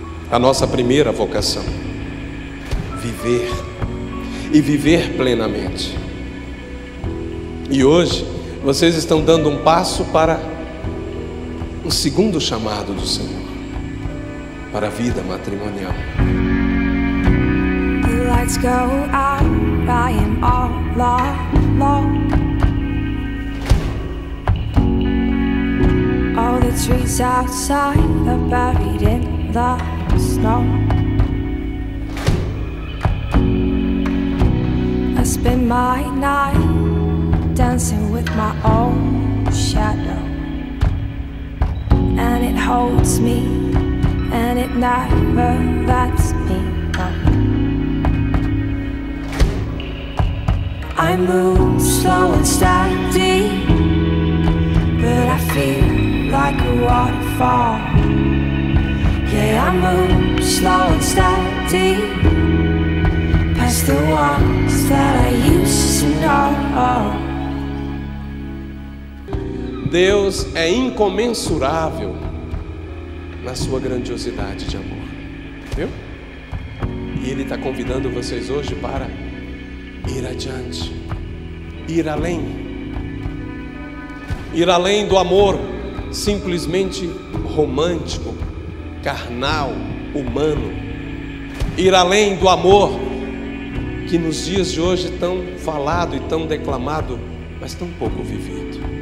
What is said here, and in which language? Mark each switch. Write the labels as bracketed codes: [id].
[pt] A nossa primeira vocação, viver, e viver plenamente. E hoje vocês estão dando um passo para o segundo chamado do Senhor, para a vida matrimonial. [en] The lights go out, I am all alone. All the trees outside are buried in the snow. I spend my night dancing with my own shadow, and it holds me, and it never lets me go. I move slow and steady, but I feel like a waterfall. Yeah, I move slow and steady, past the ones that I used to know. [pt] Deus é incomensurável na sua grandiosidade de amor, viu? E Ele está convidando vocês hoje para ir adiante, ir além do amor simplesmente romântico, carnal, humano, ir além do amor que nos dias de hoje tão falado e tão declamado, mas tão pouco vivido.